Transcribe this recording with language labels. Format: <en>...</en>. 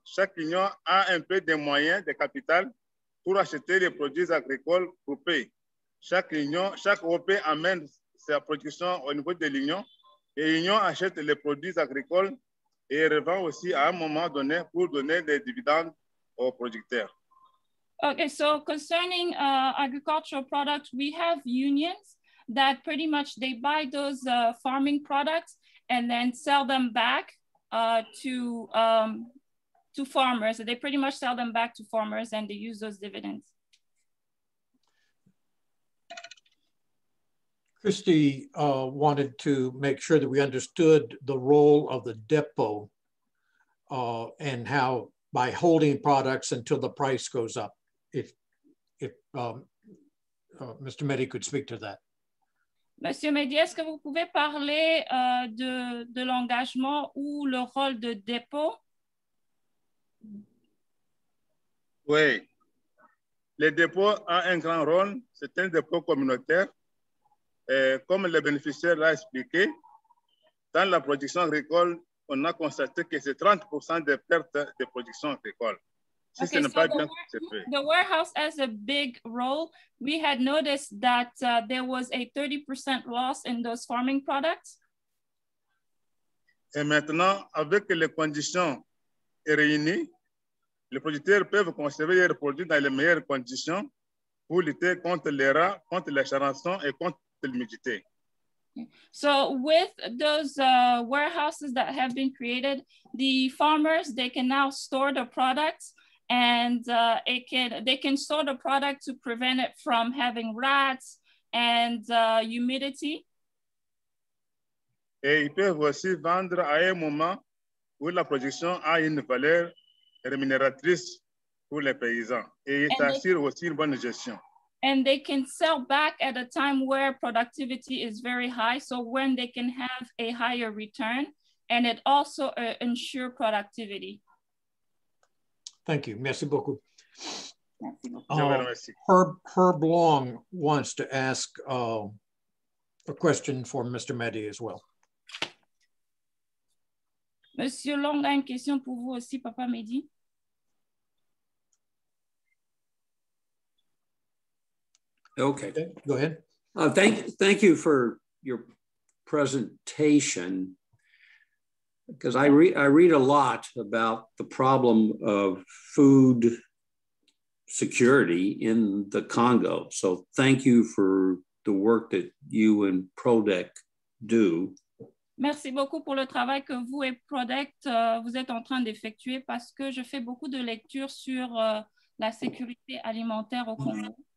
<fr>Chaque union a un peu de moyens, de capital pour acheter les produits agricoles coupés. Chaque union, chaque OP amène c'est la production au niveau de l'Union. Et l'Union achète les produits agricoles et revend aussi à un moment donné pour donner des dividendes aux producteurs.</fr> <en>Okay, so concerning agricultural products, we have unions that pretty much they buy those farming products and then sell them back to farmers. They pretty much sell them back to farmers and they use those dividends. Christy wanted to make sure that we understood the role of the depot and how by holding products until the price goes up. If Mr. Mehdi could speak to that.</en> <fr>Monsieur Mehdi, est-ce que vous pouvez parler de l'engagement ou le rôle de dépôt? Oui. Le dépôt a un grand rôle. C'est un dépôt communautaire. Comme le bénéficiaire l'a expliqué, dans la production agricole, on a constaté que c'est 30% des pertes de production agricole. Si okay, ce n'est so pas bien, c'est fait.</fr> <en>The warehouse has a big role. We had noticed that there was a 30% loss in those farming products.</en> <fr>Et maintenant, avec les conditions réunies, les producteurs peuvent conserver leurs produits dans les meilleures conditions pour lutter contre les rats, contre les charançons et contre l'humidité.</fr> <en>So with those warehouses that have been created, the farmers, they can now store the products and they can store the product to prevent it from having rats and humidity.</en> <fr>Et ils peuvent aussi vendre à un moment où la production a une valeur rémunératrice pour les paysans et ils assurent aussi une bonne gestion.</fr> <en>And they can sell back at a time where productivity is very high, so when they can have a higher return, and it also ensure productivity. Thank you.</en> <fr>Merci beaucoup. Merci.</fr> <en>Herb Long wants to ask a question for Mr. Mehdi as well.</en> <fr>Monsieur Long a une question pour vous aussi, Papa Mehdi.</fr> <en>Okay, go ahead. Thank you for your presentation, because I read a lot about the problem of food security in the Congo. So thank you for the work that you and PRODEC do.</en> <fr>Merci beaucoup pour le travail que vous et PRODEC vous êtes en train d'effectuer, parce que je fais beaucoup de lectures sur la sécurité alimentaire au Congo.</fr>